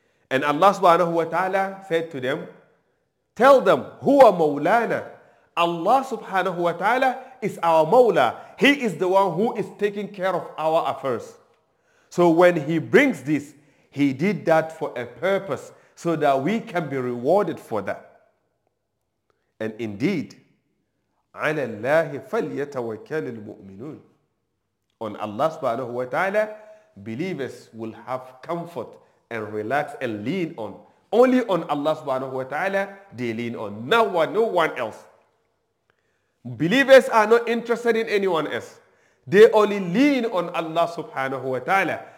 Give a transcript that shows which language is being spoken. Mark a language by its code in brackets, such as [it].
[en] And Allah subhanahu wa ta'ala said to them, tell them, [ar] huwa maulana. [en] Allah subhanahu wa ta'ala is our maula. He is the one who is taking care of our affairs. So when He brings this, He did that for a purpose, so that we can be rewarded for that. And indeed, [ar] عَلَى اللَّهِ فَلْيَتَوَكَّلِ الْمُؤْمِنُونَ. [en] On Allah subhanahu wa ta'ala, believers will have comfort and relax and lean on. Only on Allah subhanahu wa ta'ala they lean on. No one else. Believers are not interested in anyone else. They only lean on Allah subhanahu wa ta'ala.